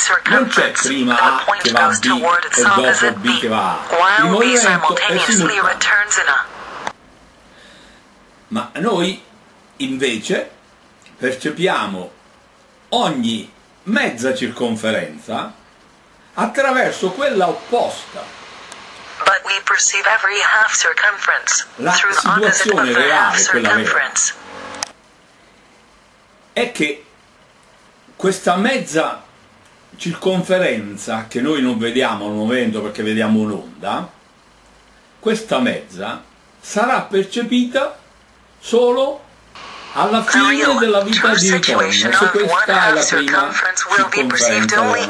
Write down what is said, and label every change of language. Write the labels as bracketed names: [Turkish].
[Italian] Non c'è prima A che va a B e dopo B che va a A. Il movimento è simultaneo. Ma noi invece percepiamo ogni mezza circonferenza attraverso quella opposta. [English] But we perceive every half circumference [Italian] la situazione reale, quella vera, è che questa mezza circonferenza che noi non vediamo al momento perché vediamo un'onda, questa mezza sarà percepita solo alla fine della vita di ritorno, se questa è la prima circonferenza.